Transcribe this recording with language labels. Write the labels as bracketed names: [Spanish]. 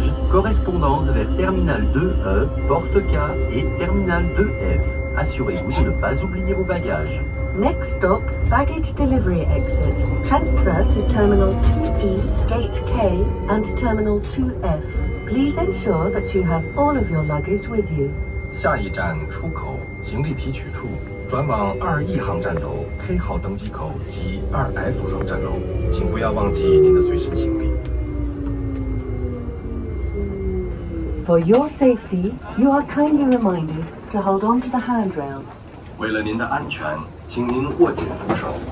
[French] Correspondance vers terminal 2E, porte K et terminal 2F. Assurez-vous de ne pas oublier vos bagages. [English] Next stop, baggage delivery exit. Transfer to terminal 2E, gate K and terminal 2F. Please ensure that you have all of your luggage with you. [Chinese] 下一站出口, 行李提取处, 转往 2E 航站楼, K 号登机口 及 2F 航站楼, 请不要忘记您的随身行李。 [English] For your safety, you are kindly reminded to hold on to the handrail. [Chinese] 为了您的安全，请您握紧扶手。